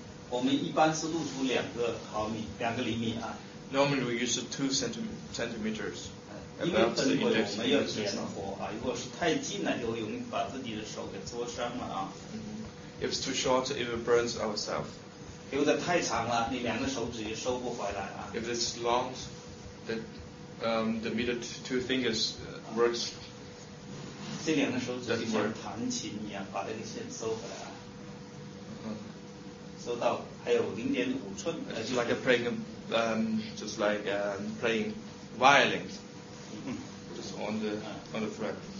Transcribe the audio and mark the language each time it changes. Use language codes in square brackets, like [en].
[zh] 我们一般是露出两个毫米，两个厘米啊。 [en] Normally we use two centimeters. [zh] 因为本来我们要点火啊，如果是太近了，就会容易把自己的手给灼伤了啊。 [en] If it's too short, it will burn ourselves. [zh] 留得太长了，你两个手指也收不回来啊。 [en] If it's long, the the middle two fingers works. [zh] 这两个手指就像弹琴一样，把那个线收回来啊。收到还有0.5寸。 [en] It's like playing just like playing violin. Just on the thread.